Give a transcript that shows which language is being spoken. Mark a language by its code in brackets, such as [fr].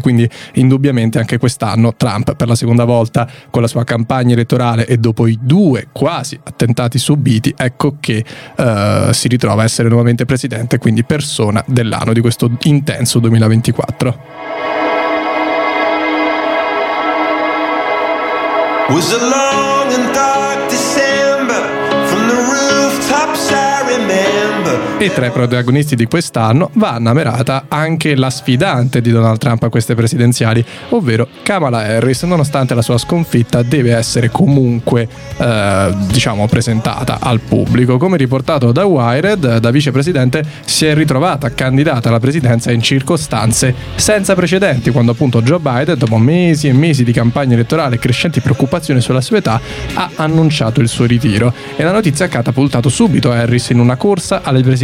[it] Quindi indubbiamente anche quest'anno Trump, per la seconda volta con la sua campagna elettorale e dopo i due quasi attentati subiti, ecco che si ritrova a essere nuovamente presidente, quindi persona dell'anno di questo intenso 2024. [en] Was a long and dark December, from the rooftops I remember. [it] E tra i protagonisti di quest'anno va annamerata anche la sfidante di Donald Trump a queste presidenziali, ovvero Kamala Harris. Nonostante la sua sconfitta, deve essere comunque diciamo presentata al pubblico. Come riportato da Wired, da vicepresidente si è ritrovata candidata alla presidenza in circostanze senza precedenti, quando appunto Joe Biden, dopo mesi e mesi di campagna elettorale e crescenti preoccupazioni sulla sua età, ha annunciato il suo ritiro. E la notizia ha catapultato subito Harris in una corsa alle presidenziali